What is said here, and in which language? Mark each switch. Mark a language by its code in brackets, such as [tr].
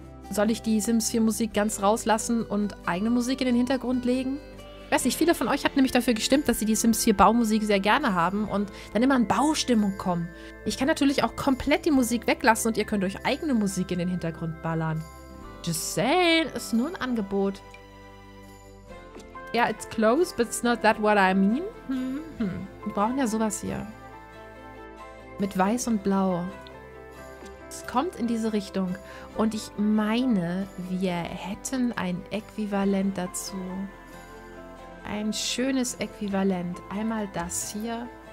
[de] Soll ich die Sims 4 Musik ganz rauslassen und eigene Musik in den Hintergrund legen? weiß nicht, viele von euch hatten nämlich dafür gestimmt, dass sie die Sims 4 Baumusik sehr gerne haben und dann immer in Baustimmung kommen. Ich kann natürlich auch komplett die Musik weglassen und ihr könnt euch eigene Musik in den Hintergrund ballern. [en] Just saying, [de] ist nur ein Angebot. [en] Yeah, it's close, but it's not that what I mean. [de] Wir brauchen ja sowas hier. Mit Weiß und Blau. Es kommt in diese Richtung. Und ich meine, wir hätten ein Äquivalent dazu. Ein schönes Äquivalent. Einmal das hier.